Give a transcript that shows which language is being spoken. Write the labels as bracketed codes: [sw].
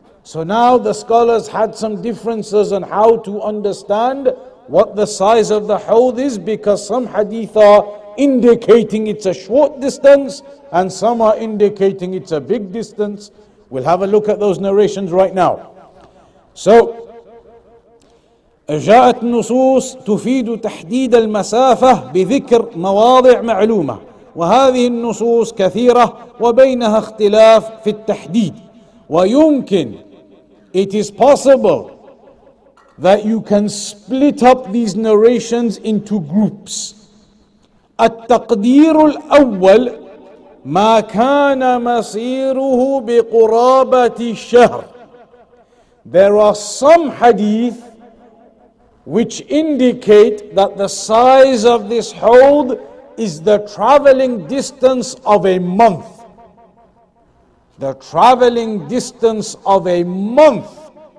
[en] So now the scholars had some differences on how to understand what the size of the hawd is, because some hadith are indicating it's a short distance and some are indicating it's a big distance. We'll have a look at those narrations right now. [ar] So, جاءت نصوص تفيد تحديد المسافة بذكر مواضع معلومة وهذه النصوص كثيرة وبينها اختلاف في التحديد ويمكن. [en] It is possible that you can split up these narrations into groups. [ar] التقدير الأول ما كان مصيره بقرابة الشهر. [en] There are some hadith which indicate that the size of this hold is the traveling distance of a month. The traveling distance of a month.